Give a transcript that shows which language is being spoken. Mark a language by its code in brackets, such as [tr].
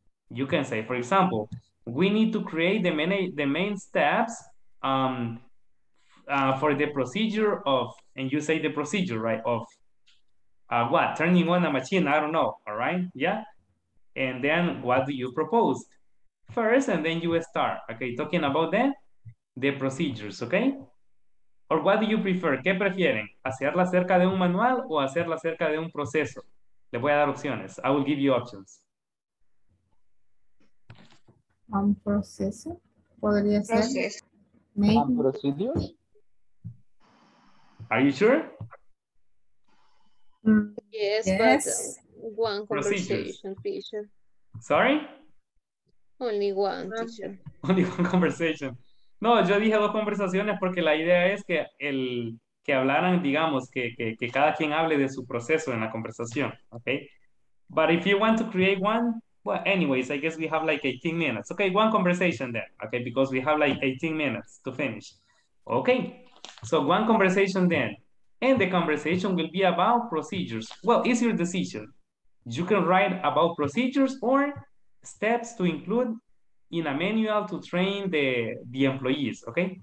[en] You can say, for example, we need to create the main steps for the procedure of, and you say the procedure, right, of what? Turning on a machine, I don't know, all right, yeah? And then what do you propose? First, and then you start, okay, talking about the procedures, okay? Or what do you prefer? [es] ¿Qué prefieren? ¿Hacerla cerca de un manual o hacerla cerca de un proceso? Le voy a dar opciones. [en] I will give you options. [es] ¿Un proceso? ¿Podría ser? ¿Un procedure? [en] Are you sure? Yes. But one conversation. Sorry? Only one, teacher. Only one conversation. [es] No, yo dije dos conversaciones porque la idea es que el que hablaran, digamos, que cada quien hable de su proceso en la conversación, [en] okay? But if you want to create one, well, anyways, I guess we have like 18 minutes. Okay, one conversation then, okay? Because we have like 18 minutes to finish. Okay, so one conversation then. And the conversation will be about procedures. Well, it's your decision. You can write about procedures or steps to include in a manual to train the employees, okay?